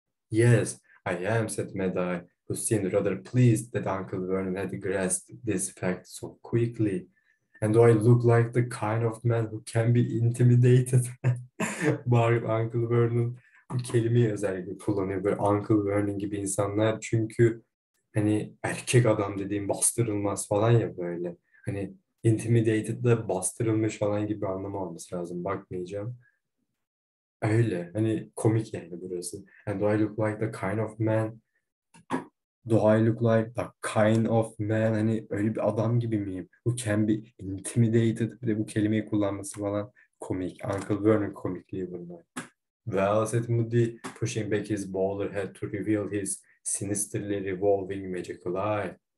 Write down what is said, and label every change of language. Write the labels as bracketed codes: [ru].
[en] "Yes, I am," said Medai, who seemed rather pleased that Uncle Vernon had grasped this fact so quickly. "And do I look like the kind of man who can be intimidated?" barked Uncle Vernon. [tr] Bu kelimeyi özellikle kullanıyor, böyle Uncle Vernon gibi insanlar, çünkü hani erkek adam dediğim bastırılmaz falan ya, böyle hani intimidated de bastırılmış falan gibi anlamı olması lazım, bakmayacağım. Öyle hani komik yani burası. [en] "And do I look like the kind of man? Do I look like the kind of man?" [tr] Hani öyle bir adam gibi miyim? [en] "Who can be intimidated?" [tr] Bir de bu kelimeyi kullanması falan komik. Uncle Vernon komikliği bunlar. [en] "Well," said Moody, pushing back his bowler hat to reveal his sinisterly revolving magical eye.